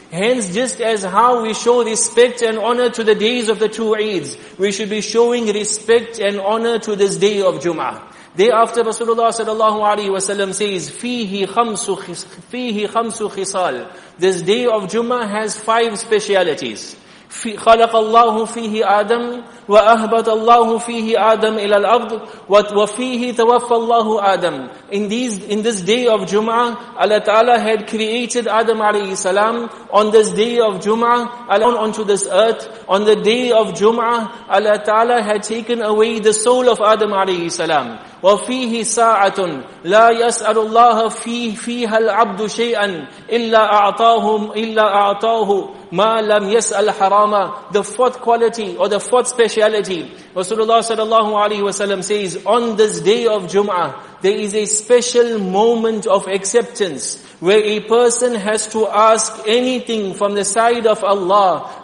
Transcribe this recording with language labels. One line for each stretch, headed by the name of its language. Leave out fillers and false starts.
English: Hence, just as how we show respect and honor to the days of the two Eids, we should be showing respect and honor to this day of Jum'ah. Thereafter, Rasulullah sallallahu alaihi wasallam says,
Arabic: "Fihi khamsu khisal."
English: This day of Jum'ah has five specialities.
Arabic: خلق الله فيه آدم وأهبط الله فيه آدم إلى الأرض وفيه توفى الله آدم.
English: In this day of Jum'ah, Allah Ta'ala had created Adam alayhi salam. On this day of Jum'ah, alone onto this earth, on the day of Jum'ah, Allah Ta'ala had taken away the soul of Adam alayhi salam.
Arabic: وفيه ساعة لا يسأل الله فيها العبد شيئا إلا أعطاه ma lam yas'al harama.
English: The fourth quality or the fourth speciality. Rasulullah sallallahu alaihi wasallam says, on this day of Jum'ah, there is a special moment of acceptance where a person has to ask anything from the side of Allah.